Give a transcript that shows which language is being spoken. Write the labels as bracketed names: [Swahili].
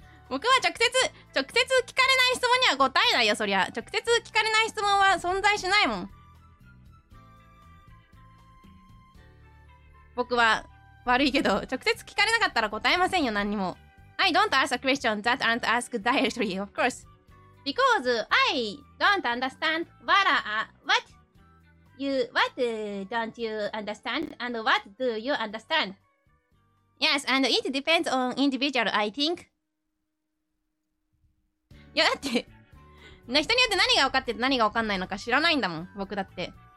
[Japanese] 僕は直接聞かれない質問には答えないよ、そりゃ。直接聞かれない質問は存在しないもん。僕は悪いけど、直接聞かれなかったら答えませんよ、何にも。 [English] I don't ask a question that aren't asked directly, of course. Because I don't understand what don't you understand and what do you understand? Yes, and it depends on individual, I think. [Japanese] いやだって、人によって何が分かってて何が分かんないのか知らないんだもん、僕だって。